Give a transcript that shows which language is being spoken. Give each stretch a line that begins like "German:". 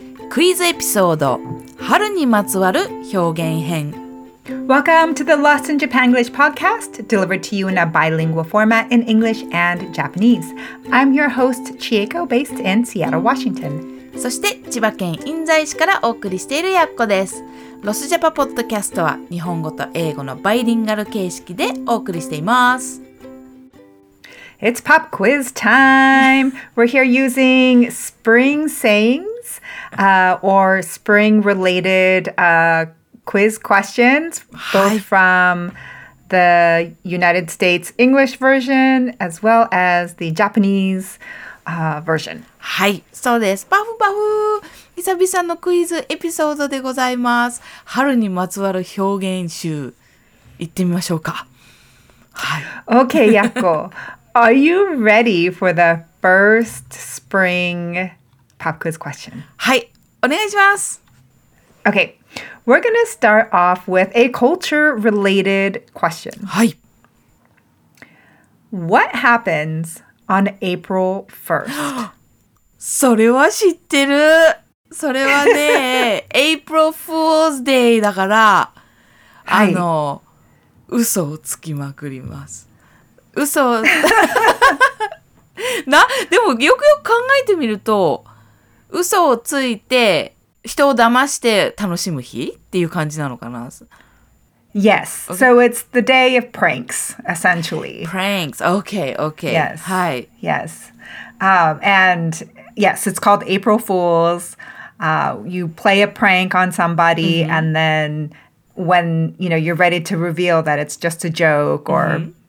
Japanese: クイズエピソード春にまつわる表現編
English: Welcome to the Lost in Japan English Podcast delivered to you in a bilingual format in English and Japanese. I'm your host Chieko based in Seattle, Washington.
Japanese: そして千葉県印西市からお送りしているやっこです。ロスジャパポッドキャストは日本語と英語のバイリンガル形式でお送りしています。
English: It's pop quiz time! We're here using spring sayings, or spring-related, quiz questions, both from the United States English version, as well as the Japanese, version.
Japanese: はい、そうです。パフパフ！久々のクイズエピソードでございます。春にまつわる表現集、行ってみましょうか。はい。
English: Okay, Yakko. Are you ready for the first spring pop quiz question?
Japanese: はい、お願いします。
English: Okay, we're gonna start off with a culture-related question.
Japanese: はい。
English: What happens on April 1st?
Japanese: それは知ってる。それはね、April Fool's Day だから、はい、嘘をつきまくります。嘘な、でもよくよく考えてみると嘘をついて人を騙して楽しむ日っていう感じなのかな
English: Yes, so it's the day of pranks, essentially. Pranks, okay, okay. Yes,、
Japanese: はい、
English: yes.、and yes, it's called April Fools.、you play a prank on somebody、mm-hmm. and then when you know, you're ready to reveal that it's just a joke or...、Mm-hmm.